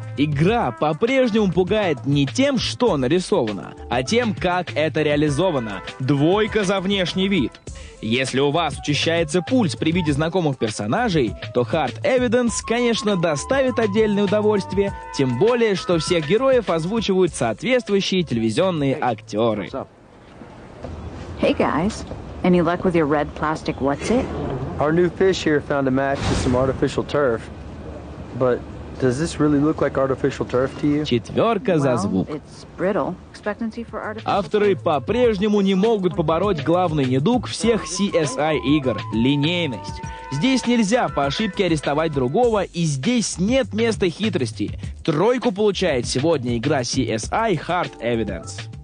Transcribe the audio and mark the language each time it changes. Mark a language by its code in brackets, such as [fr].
[ru] Игра по-прежнему пугает не тем, что нарисовано, а тем, как это реализовано. Двойка за внешний вид. Если у вас учащается пульс при виде знакомых персонажей, то Hard Evidence, конечно, доставит отдельное удовольствие, тем более, что всех героев озвучивают соответствующие телевизионные актеры. [en] Hey guys, any luck with your red plastic what's it? Our new fish here found a match to some artificial turf, but does this really look like artificial turf to you? [ru] Четверка за звук. [en] Well, it's brittle. Expectancy for artificial... [ru] Авторы по-прежнему не могут побороть главный недуг всех CSI-игр – линейность. Здесь нельзя по ошибке арестовать другого, и здесь нет места хитрости. Тройку получает сегодня игра CSI Hard Evidence.